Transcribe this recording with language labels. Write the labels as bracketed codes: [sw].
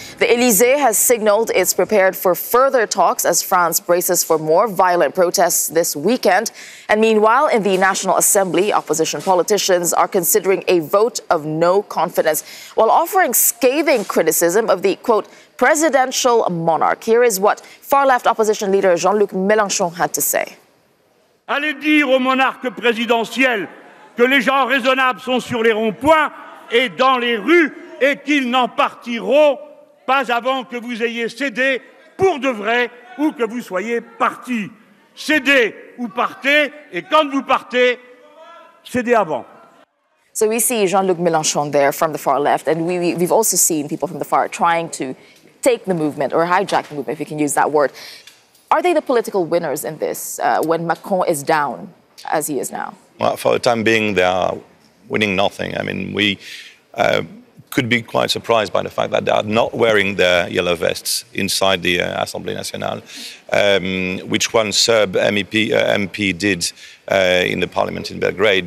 [en] The Élysée has signaled it's prepared for further talks as France braces for more violent protests this weekend. And meanwhile, in the National Assembly, opposition politicians are considering a vote of no confidence while offering scathing criticism of the, quote, presidential monarch. Here is what far-left opposition leader Jean-Luc Mélenchon had to say. [fr] Allez dire au monarque présidentiel que les gens raisonnables sont sur les ronds-points et dans les rues et qu'ils n'en partiront pas avant que vous ayez cédé pour de vrai ou que vous soyez parti. Cédez ou partez, et quand vous partez, cédez avant. [en] So we see Jean-Luc Mélenchon there from the far left, and we've also seen people from the far trying to take the movement or hijack the movement, if you can use that word. Are they the political winners in this when Macron is down as he is now? Well, for the time being, they are winning nothing. I mean, we could be quite surprised by the fact that they are not wearing their yellow vests inside the Assemblée Nationale, which one Serb MP did in the Parliament in Belgrade.